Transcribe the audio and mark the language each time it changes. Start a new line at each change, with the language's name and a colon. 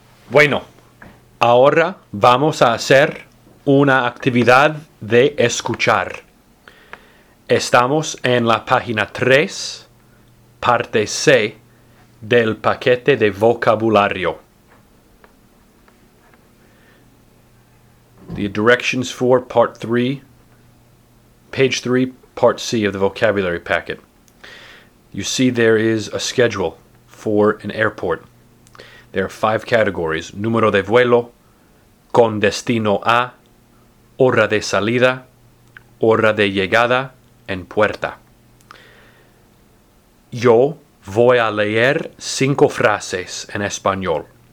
Spanish: Bueno, ahora vamos a hacer una actividad de escuchar. Estamos en la página 3, parte C, del paquete de vocabulario.
English: The directions for part 3, page 3, part C of the vocabulary packet. You see there is a schedule for an airport. There are 5 categories:
Spanish: número de vuelo, con destino a, hora de salida, hora de llegada, en puerta. Yo voy a leer 5 frases en español.